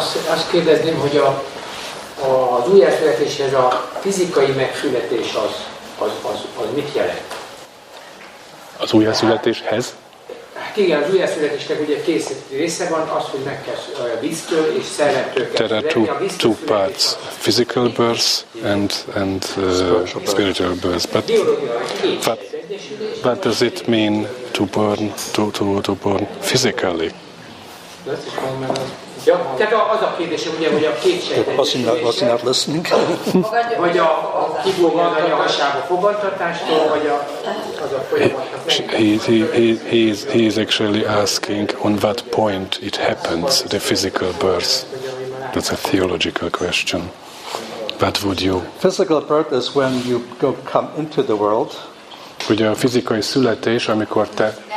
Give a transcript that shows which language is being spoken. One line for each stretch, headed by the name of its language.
Hungarian: Azt kérdezném, hogy az újjászületéshez a fizikai megszületés az mit jelent? Az újjászületéshez? Hát igen, az újjászületésnek ugye kész része van, az, hogy meg kell víztől és szellemtől kell.
English: There are two parts, physical births and spiritual births. But does it mean to born physically? Was he not listening? he is actually asking on what point it happens, the physical birth. That's a theological question. What would you? Physical birth is when you come into the world.
Hungarian: Ugye a fizikai születés, amikor te...